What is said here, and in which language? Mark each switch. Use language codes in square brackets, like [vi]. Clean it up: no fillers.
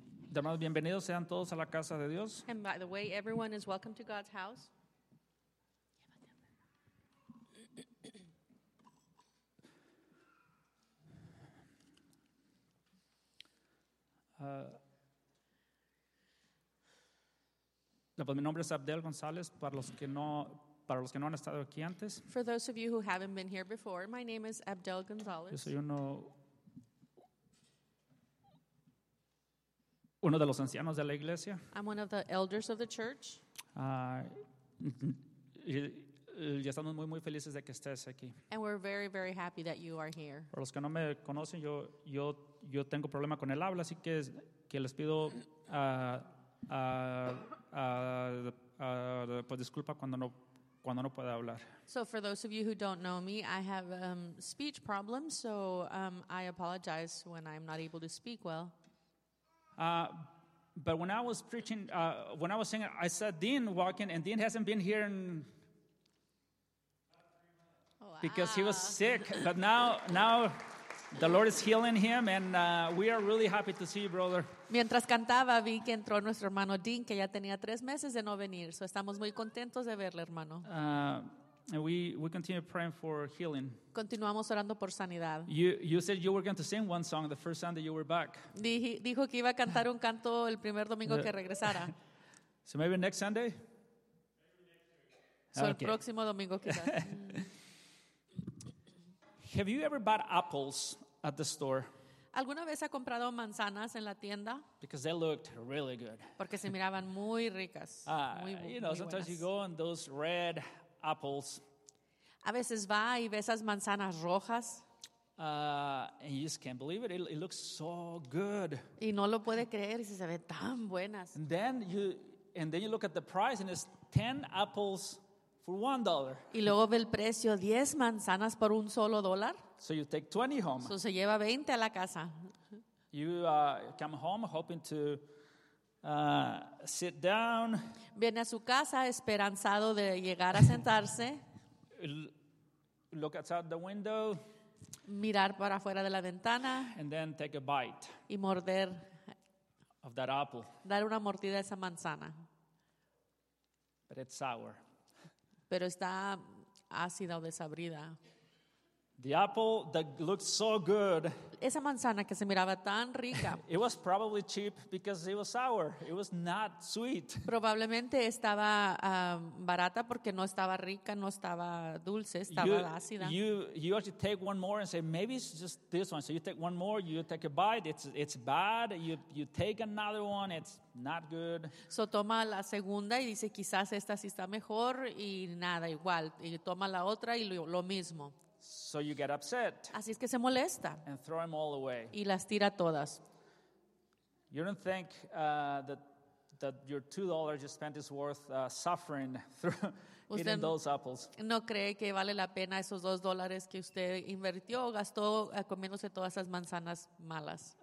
[es] Damas, bienvenidos sean todos a la casa de Dios. [en] And by the way, everyone is welcome to God's house. [es] Pues mi nombre es Abdel González, para los que no han estado aquí antes. [en] For those of you who haven't been here before, my name is Abdel González. [es] Yo soy uno de los ancianos de la iglesia. [en] I'm one of the elders of the church. [es] Y estamos muy, muy felices de que estés aquí. [en] And we're very, very happy that you are here. [es] Por los que no me conocen, yo tengo problema con el habla, así que les pido pues disculpa cuando no pueda hablar. [en] So for those of you who don't know me, I have speech problems, so I apologize when I'm not able to speak well. But when I was preaching, when I was singing, I saw Dean walking, and Dean hasn't been here in... because he was sick, but now the Lord is healing him, and we are really happy to see you, brother. [es] Mientras cantaba, vi que entró nuestro hermano Dean, que ya tenía 3 meses de no venir. So estamos muy contentos de verle, hermano. [en] And we continue praying for healing. [es] Continuamos orando por sanidad. [en] You said you were going to sing one song the first Sunday you were back. [es] Dijo que iba a cantar un canto el primer domingo que regresara. [en] So maybe next Sunday. So okay. [es] El próximo domingo quizás. [en] Have you ever bought apples at the store? [es] ¿Alguna vez ha comprado manzanas en la tienda? [en] Because they looked really good. [es] Porque se miraban muy ricas. [en] Sometimes you go on those red apples. [es] A veces va y ve esas manzanas rojas. [en] And you just can't believe it. It looks so good. [es] Y no lo puede creer y se ve tan buenas. [en] And then you look at the price and it's 10 apples. For $1. [es] Y luego ve el precio, 10 manzanas por un solo dólar. [en] So you take 20 home. [es] So se lleva 20 a la casa. [en] You come home hoping to sit down. [es] Viene a su casa esperanzado de llegar a sentarse. [en] Look outside the window. [es] Mirar para afuera de la ventana. [en] And then take a bite. [es] Y morder. [en] Of that apple. [es] Dar una mordida a esa manzana. [en] But it's sour. [es] Pero está ácida o desabrida. [en] The apple that looked so good. [es] Esa manzana que se miraba tan rica. [en] It was probably cheap because it was sour. It was not sweet. [es] Probablemente estaba barata porque no estaba rica, no estaba dulce, estaba ácida. [en] You actually take one more and say maybe it's just this one. So you take one more, you take a bite. It's bad. You take another one. It's not good. [es] So toma la segunda y dice quizás esta sí está mejor y nada igual. Y toma la otra y lo mismo. [en] So you get upset. [es] Así es que se molesta. [en] And throw them all away. [es] Y las tira todas. [en] You don't think that your $2 you spent is worth suffering through eating those apples. [es] No cree que vale la pena esos $2 que usted invirtió o gastó comiéndose todas esas manzanas malas.